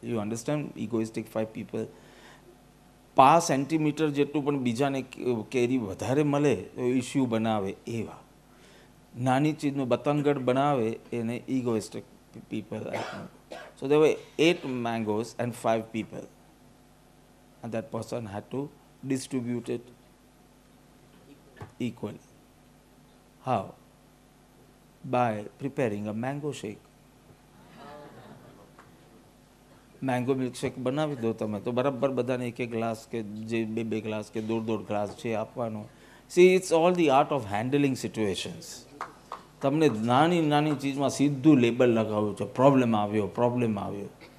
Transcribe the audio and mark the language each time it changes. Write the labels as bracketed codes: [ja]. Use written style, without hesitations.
[en] you understand, [gu] egoistic 5 people, પા centimetre જેટલું પણ બીજાને કેરી વધારે મળે તો ઇશ્યુ બનાવે એવા, નાની ચીજનો બતંગડ બનાવે એને egoistic people. [en] So there were 8 mangoes and 5 people, and that person had to distribute it equally. How? By preparing a mango shake. [gu] Mango milkshake બનાવી દો તમે તો બરાબર બધાને એક એક ગ્લાસ કે જે બે બે ગ્લાસ કે દોઢ દોઢ ગ્લાસ છે આપવાનો. [en] See it's all the art of handling situations. [gu] તમને નાની નાની ચીજમાં સીધું લેબલ લગાવ્યું છે, પ્રોબ્લેમ આવ્યો પ્રોબ્લેમ આવ્યો.